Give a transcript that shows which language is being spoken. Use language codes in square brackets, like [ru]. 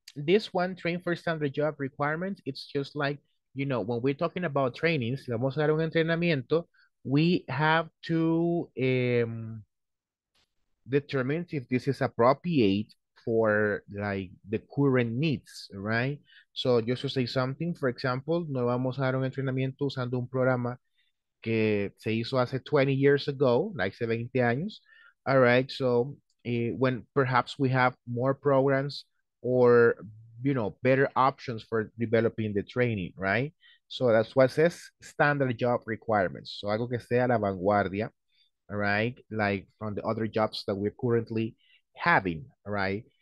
[en] this one, train for standard job requirements, it's just like, you know, when we're talking about training, [es] si vamos a dar un entrenamiento, [en] we have to determine if this is appropriate for like the current needs, right? So just to say something, for example, [es] no vamos a dar un entrenamiento usando un programa que se hizo hace 20 [en] years ago, like [es] 70 años. [en] All right, so when perhaps we have more programs or, you know, better options for developing the training, right? So that's what says standard job requirements. So [es] algo que sea la vanguardia, [en] all right? Like from the other jobs that we're currently having, all right?